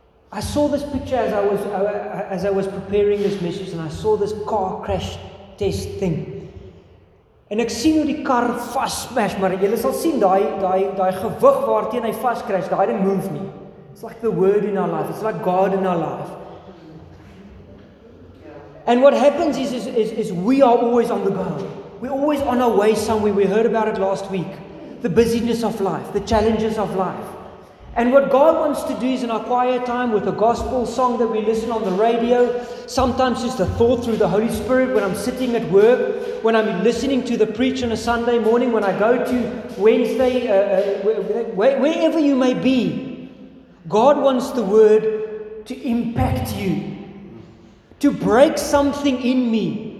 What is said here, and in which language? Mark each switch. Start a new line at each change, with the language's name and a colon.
English: I saw this picture as I was preparing this message, and I saw this car crash test thing.
Afrikaans: En ek sien hoe die kar vas smash, maar jy sal sien daai gewig waarteen hy vas crash, daai ding move nie.
English: It's like the word in our life. It's like God in our life. And what happens is we are always on the go. We're always on our way somewhere. We heard about it last week. The busyness of life, the challenges of life. And what God wants to do is in our quiet time with a gospel song that we listen on the radio, sometimes just a thought through the Holy Spirit when I'm sitting at work, when I'm listening to the preach on a Sunday morning, when I go to Wednesday, wherever you may be, God wants the word to impact you, to break something in me.